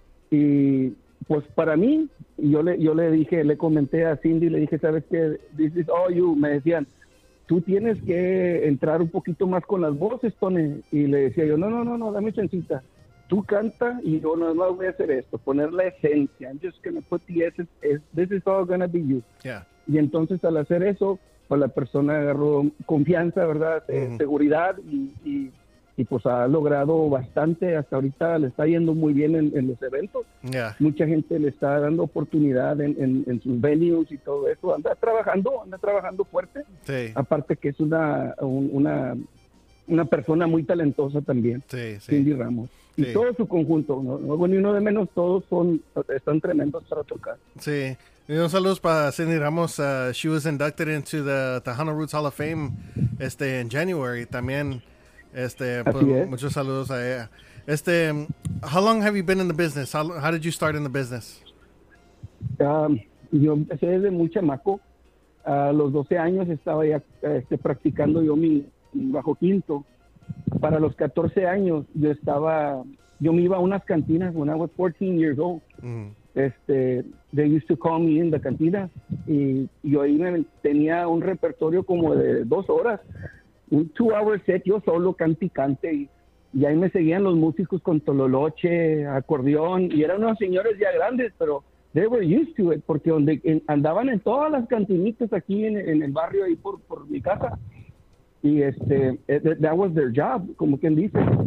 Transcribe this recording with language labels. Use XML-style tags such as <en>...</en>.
<es>Y pues para mí, yo le dije, le comenté a Cindy, le dije, ¿sabes qué?</es> <en>This is all you.</en> <es>Me decían, tú tienes que entrar un poquito más con las voces, Tony. Y le decía yo, no, dame chancita. Tú canta y yo no voy a hacer esto, poner la esencia.</es> <en>I'm just gonna put the essence, this is all gonna be you. Yeah.</en> <es>Y entonces al hacer eso, pues la persona agarró confianza, ¿verdad? Mm-hmm. Seguridad y y pues ha logrado bastante. Hasta ahorita le está yendo muy bien en los eventos. Yeah. Mucha gente le está dando oportunidad en sus venues y todo eso. Anda trabajando fuerte. Sí. Aparte que es una persona muy talentosa también, sí, sí. Cindy Ramos. Y sí. Todo su conjunto, ¿no? Bueno, y uno de menos, todos están tremendos para tocar. Sí. Y un saludo para Cindy Ramos.</es> <en>She was inducted into the Tejano Roots Hall of Fame in January.</en> <es>También, muchos saludos a ella.</es> <en>How long have you been in the business? How did you start in the business?</en> <es>Yo empecé desde muy chamaco. A los 12 años estaba ya practicando yo mi bajo quinto. Para los 14 años yo me iba a unas cantinas</es> <en>when I was 14 years old. They used to call me in the cantina</en> <es>y yo ahí tenía un repertorio como de 2 horas, un 2-hour set, yo solo canticante, y ahí me seguían los músicos con tololoche, acordeón, y eran unos señores ya grandes, pero</es> <en>they were used to it,</en> <es>porque andaban en todas las cantinitas aquí en el barrio, ahí por mi casa, y</es> <en>that was their job,</en> <es>como quien dice.</es>